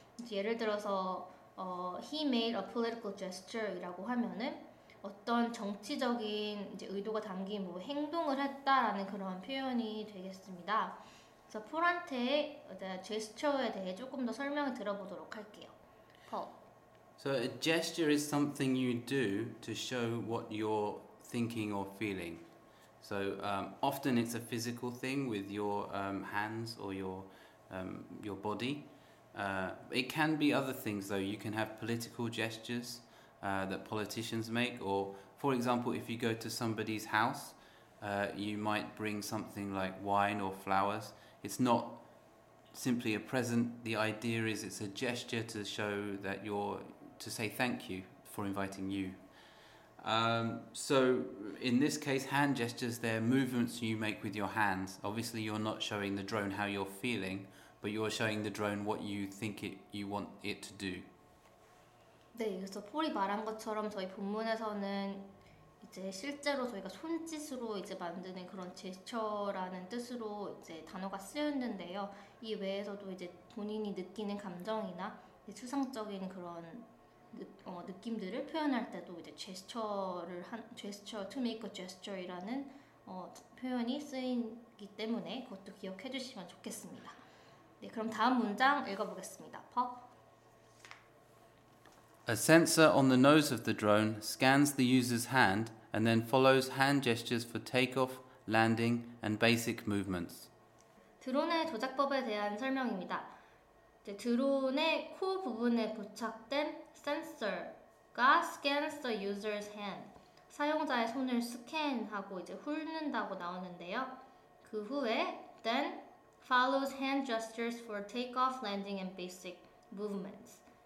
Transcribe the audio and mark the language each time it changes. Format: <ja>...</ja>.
<ko>예를 들어서</ko> <en>he made a political gesture</en> <ko>이라고 하면은 어떤 정치적인 이제 의도가 담긴 뭐 행동을 했다라는 그런 표현이 되겠습니다. 그래서 폴한테의 제스처에 대해 조금 더 설명을 들어보도록 할게요. 폴.</ko> <en>So a gesture is something you do to show what you're thinking or feeling. So often it's a physical thing with your hands or your body. It can be other things though. You can have political gestures that politicians make, or for example, if you go to somebody's house, you might bring something like wine or flowers. It's not simply a present. The idea is it's a gesture to show that to say thank you for inviting you. So in this case, hand gestures, they're movements you make with your hands. Obviously, you're not showing the drone how you're feeling, but you're showing the drone what you think you want it to do.</en> <ko>네, 그래서 폴이 말한 것처럼 저희 본문에서는 이제 실제로 저희가 손짓으로 이제 만드는 그런 제스처라는 뜻으로 이제 단어가 쓰였는데요. 이 외에서도 이제 본인이 느끼는 감정이나 추상적인 그런 느낌들을 표현할 때도 이제</ko> <en>to make a gesture</en> <ko>이라는 표현이 쓰이기 때문에 그것도 기억해 주시면 좋겠습니다. 네, 그럼 다음 문장 읽어보겠습니다. 퍼.</ko> <en>A sensor on the nose of the drone scans the user's hand and then follows hand gestures for takeoff, landing, and basic movements.</en> <ko>드론의 조작법에 대한 설명입니다. 이제 드론의 코 부분에 부착된 sensor가</ko> <en>scans the user's hand.</en> <ko>사용자의 손을 스캔하고 이제 훑는다고 나오는데요. 그 후에</ko> <en>then follows hand gestures for takeoff, landing, and basic movements.</en>